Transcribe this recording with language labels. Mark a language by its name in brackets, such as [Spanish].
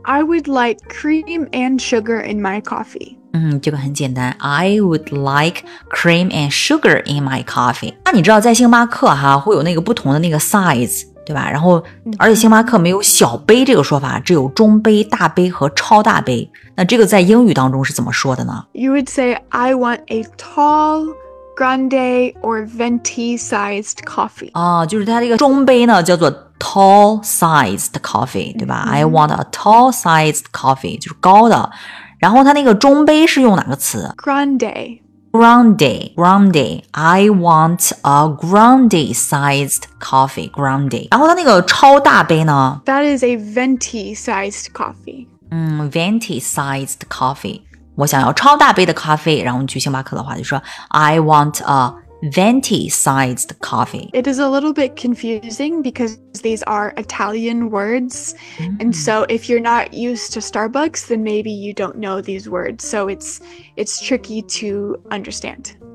[English] I would like cream and sugar in my coffee. [Chinese] 这个很简单。 [English] I would like cream and sugar in my coffee. [Chinese] 那你知道在星巴克哈会有那个不同的那个 size, 对吧？然后而且星巴克没有小杯这个说法，只有中杯、大杯和超大杯。那这个在英语当中是怎么说的呢 [English] ？You would say I want a tall, grande, or venti-sized coffee. [Chinese] 就是它这个中杯呢叫做 tall-sized coffee， 对吧、？ [English] I want a tall-sized coffee， [Chinese] 就是高的。然后它那个中杯是用哪个词 [English] ？Grande. Grande, grande. I want a grande-sized coffee. [Chinese] Grande. 然后它那个超大杯呢 [English] ？That is a venti-sized coffee. Venti-sized coffee. [Chinese] 我想要超大杯的咖啡，然后你去星巴克的话就说 [English] I want a venti-sized coffee. It is a little bit confusing because these are Italian words. And so if you're not used to Starbucks, then maybe you don't know these words. So it's tricky to understand.